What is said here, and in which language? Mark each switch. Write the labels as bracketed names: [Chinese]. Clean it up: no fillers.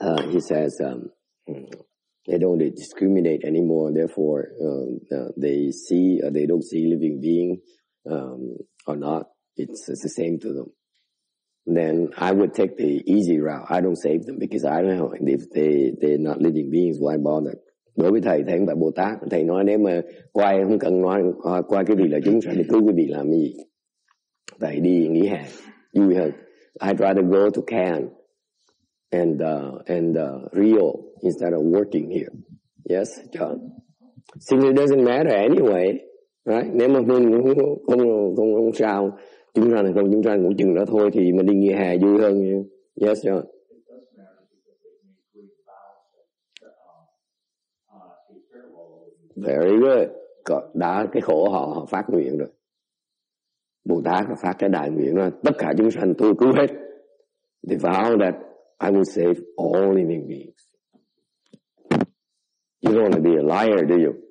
[English] He says they don't discriminate anymore. Therefore, they see or they don't see living being or not. It's the same to them. Then I would take the easy route. I don't save them because I don't know if they're not living beings. Why bother? [Vietnamese] Đối với thầy, thấy bà Bồ Tát, thầy nói nếu mà quay không cần nói qua cái vị là chúng sanh thì cứu cái vị làm gì? Thầy đi nghỉ hè, vui hơn. [English] I'd rather go to Cannes and Rio instead of working here. Yes, John. Since it doesn't matter anyway, right? [Vietnamese] Nếu mà không sao, chúng sanh không chúng sanh cũng chừng đó thôi thì mình đi nghỉ hè vui hơn. [English] Yes, John. Very good. [Vietnamese] Còn đã cái khổ họ phát nguyện rồi. Bồ Tát đã phát cái đại nguyện rồi. Tất cả chúng sanh tôi cứu hết. [English] They vow that I will save all living beings. You don't want to be a liar, do you?